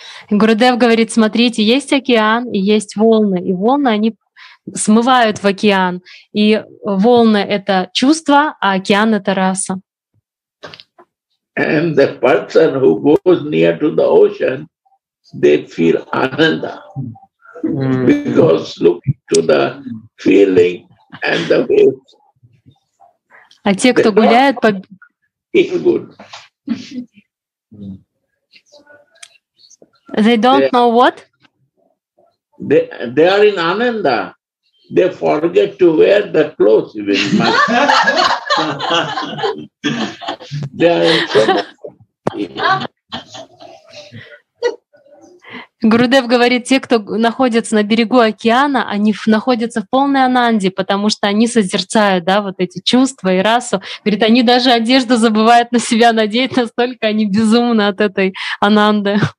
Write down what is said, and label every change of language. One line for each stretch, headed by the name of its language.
Russian: Гурудев говорит, смотрите, есть океан и есть волны. И волны, они смывают в океан. И волны — это чувства, а океан — это раса.
English: And the person who goes near to the ocean, they feel ananda. Because looking to the feeling and the waves.
Russian: А те, кто гуляет по...
English: They don't know what? They are in Ananda. They forget to wear the clothes even much. They are in trouble.
Russian: Гурудев говорит, те, кто находится на берегу океана, они находятся в полной ананде, потому что они созерцают, да, вот эти чувства и расу. Говорит, они даже одежду забывают на себя надеть, настолько они безумны от этой ананды.